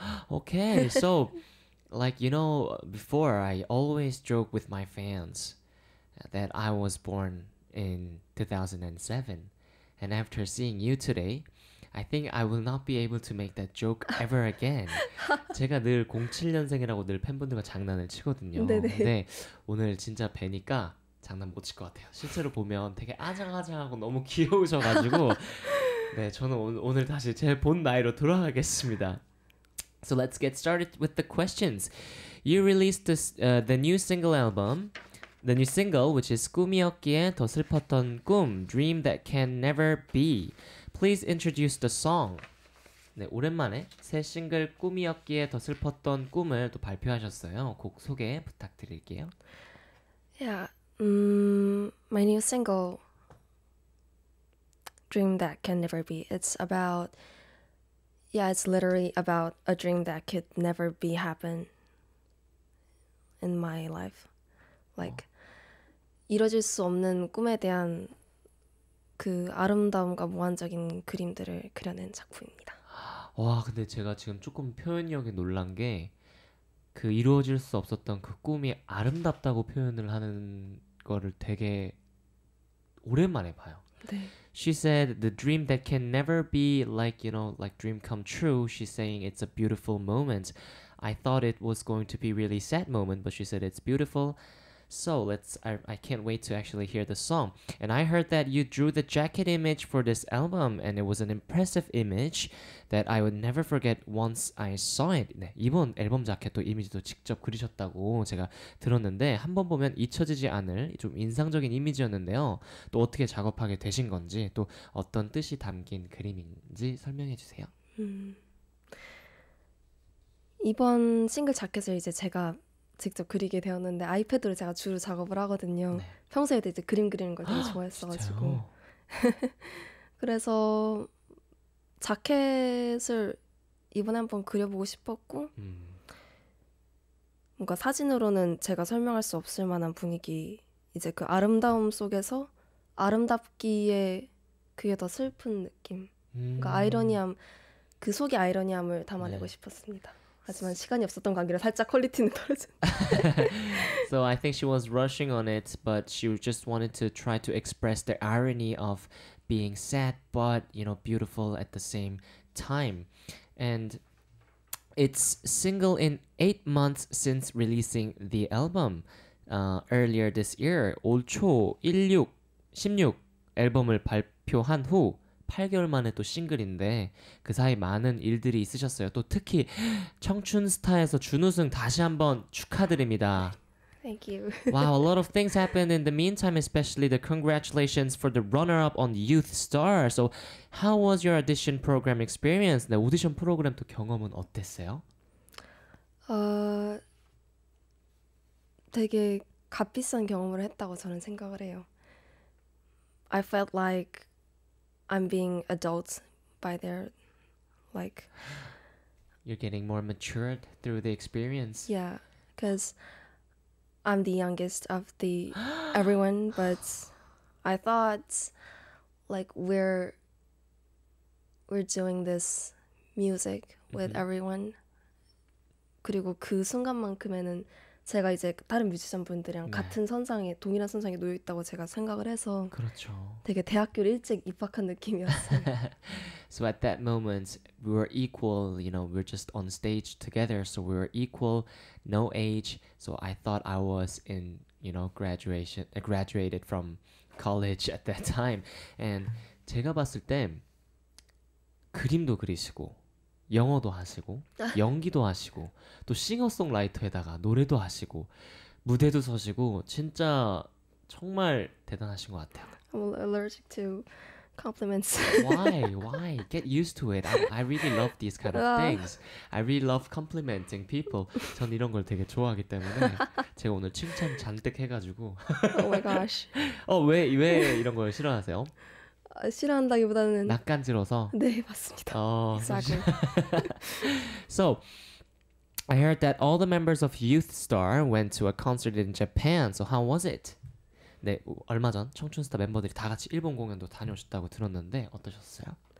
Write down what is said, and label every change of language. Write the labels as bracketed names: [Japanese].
[English] Okay, so like, you know, before I always joke with my fans that I was born in 2007, and after seeing you today, I think I will not be able to make that joke ever again. [Korean] 제가 늘 07년생이라고 늘 팬분들과 장난을 치거든요. 네네. 근데 오늘 진짜 뵈니까 장난 못 칠 것 같아요. 실제로 보면 되게 아장아장하고 너무 귀여우셔가지고, 네, 저는 오늘 다시 제 본 나이로 돌아가겠습니다. [English] So let's get started with the questions. You released the new single album. The new single, which is 꿈이었기에 더 슬펐던 꿈, Dream That Can Never Be. Please introduce the song. [Korean] 네, 오랜만에 새 싱글 꿈이었기에 더 슬펐던 꿈을 또 발표하셨어요. 곡 소개 부탁드릴게요. [English] Yeah, my new single, Dream That Can Never Be. It's about, yeah, it's literally about a dream that could never be happen in my life. [Korean] Like, 이뤄질 수 없는 꿈에 대한 그 아름다움과 무한적인 그림들을 그려낸 작품입니다. 와, 근데 제가 지금 조금 표현력이 놀란 게 그 이루어질 수 없었던 그 꿈이 아름답다고 표현을 하는 거를 되게 오랜만에 봐요. 네. [English] She said the dream that can never be like, you know, like dream come true. She's saying it's a beautiful moment. I thought it was going to be really sad moment, but she said it's beautiful. So let's, I can't wait to actually hear the song. And I heard that you drew the jacket image for this album, and it was an impressive image that I would never forget once I saw it. [Korean] 네, 이번 앨범 자켓도 이미지도 직접 그리셨다고 제가 들었는데, 한번 보면 잊혀지지 않을 좀 인상적인 이미지였는데요. 또 어떻게 작업하게 되신 건지, 또 어떤 뜻이 담긴 그림인지 설명해 주세요. 이번 싱글 자켓을 이제 제가 직접 그리게 되었는데, 아이패드로 제가 주로 작업을 하거든요. 네. 평소에도 이제 그림 그리는 걸 되게 좋아했어가지고. <진짜요? 웃음> 그래서 자켓을 이번에 한번 그려보고 싶었고, 뭔가 사진으로는 제가 설명할 수 없을 만한 분위기, 이제 그 아름다움 속에서 아름답기에 그게 더 슬픈 느낌, 그러니까 아이러니함, 그 속의 아이러니함을 담아내고 네. 싶었습니다. 하지만 시간이 없었던 관계로 살짝 퀄리티는 떨어진. [English] So I think she was rushing on it, but she just wanted to try to express the irony of being sad but, you know, beautiful at the same time. And it's single in 8 months since releasing the album earlier this year. [Korean] 올 초 16 앨범을 발표한 후 8개월 만에 또 싱글인데 그 사이 많은 일들이 있으셨어요. 또 특히 청춘스타에서 준우승 다시 한번 축하드립니다. [English] Thank you. Wow, a lot of things happened in the meantime, especially the congratulations for the runner-up on Youth Star. So how was your audition program experience? [Korean] 네, 오디션 프로그램 또 경험은 어땠어요? 되게 값비싼 경험을 했다고 저는 생각을 해요. [English] I felt like I'm being adult by their, like... You're getting more matured through the experience. Yeah, because I'm the youngest of the everyone, but I thought, like, we're doing this music with everyone. [Korean] 그리고 그 순간만큼에는 제가 이제 다른 뮤지션분들이랑 네. 같은 선상에, 동일한 선상에 놓여있다고 제가 생각을 해서 그렇죠. 되게 대학교를 일찍 입학한 느낌이었어요. [English] So at that moment, we were equal, you know, we're just on stage together, so we were equal, no age, so I thought I was in, you know, graduated from college at that time. And [Korean] 제가 봤을 땐 그림도 그리시고 영어도 하시고 연기도 하시고 또 싱어송라이터에다가 노래도 하시고 무대도 서시고 진짜 정말 대단하신 것 같아요. [English] I'm allergic to compliments. Why? Why? Get used to it. I really love these kind of things. I really love complimenting people. [Korean] 전 이런 걸 되게 좋아하기 때문에 제가 오늘 칭찬 잔뜩 해가지고 Oh my gosh. 왜 이런 걸 싫어하세요? 싫어한다기보다는 낯간지러서? 네, 맞습니다. [English] Exactly. So, I heard that all the members of Youth Star went to a concert in Japan. So, how was it? [Korean] 네, 얼마 전 청춘스타 멤버들이 다 같이 일본 공연도 다녀오셨다고 들었는데 어떠셨어요?